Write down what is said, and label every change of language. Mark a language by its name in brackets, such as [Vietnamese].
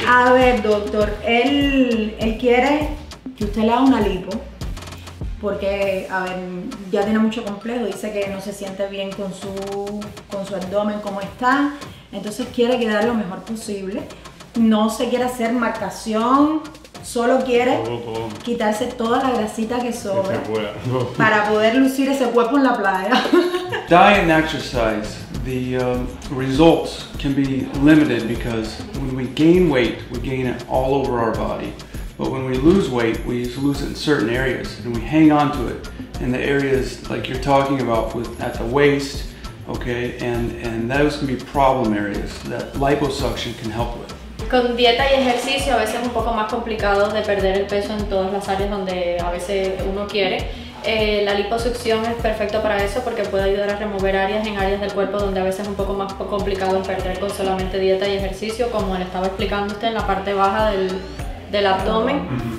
[Spanish] A ver, doctor, él quiere que usted le haga una lipo, porque, a ver, ya tiene mucho complejo, dice que no se siente bien con su abdomen como está, entonces quiere quedar lo mejor posible, no se quiere hacer marcación, solo quiere todo. Quitarse toda la grasita que sobra para poder lucir ese cuerpo en la playa. [English] Diet and exercise, the results can be limited because when we gain weight, we gain it all over our body. But when we lose weight, we lose it in certain areas and we hang on to it in the areas like you're talking about with at the waist, okay? And those can be problem areas that liposuction can help with. [Spanish] Con dieta y ejercicio a veces es un poco más complicado de perder el peso en todas las áreas donde a veces uno quiere. La liposucción es perfecto para eso porque puede ayudar a remover áreas del cuerpo donde a veces es un poco más complicado perder con solamente dieta y ejercicio, como le estaba explicando usted en la parte baja del abdomen.